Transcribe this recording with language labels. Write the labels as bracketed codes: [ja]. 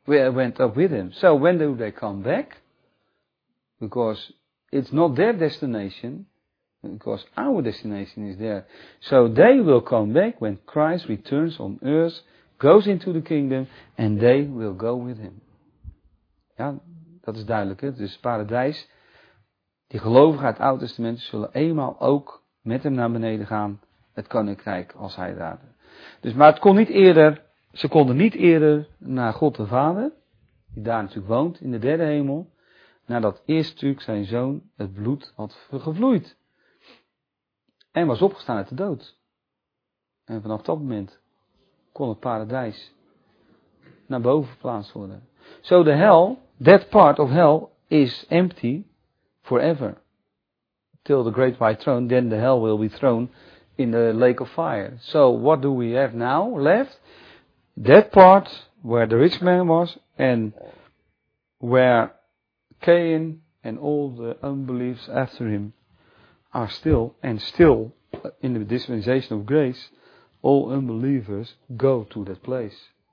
[en] Went up with him. So when do they come back? Because it's not their destination, because our destination is there. So they will come back when Christ returns on earth, goes into the kingdom, and they will go with him. [nl] Ja, dat is duidelijk. Hè? Dus paradijs, die gelovigen uit het Oude Testament zullen eenmaal ook met hem naar beneden gaan, het koninkrijk als hij daar. Dus, maar het kon niet eerder, ze konden niet eerder naar God de Vader, die daar natuurlijk woont, in de derde hemel, nadat eerst natuurlijk zijn zoon het bloed had gevloeid. En was opgestaan uit de dood. En vanaf dat moment kon het paradijs naar boven geplaatst worden. [en] So the hell, that part of hell is empty forever. Till the great white throne, then the hell will be thrown in the lake of fire. So what do we have now left? That part where the rich man was and where Cain and all the unbelievers after him are still, and still in the dispensation of grace, all unbelievers go to that place.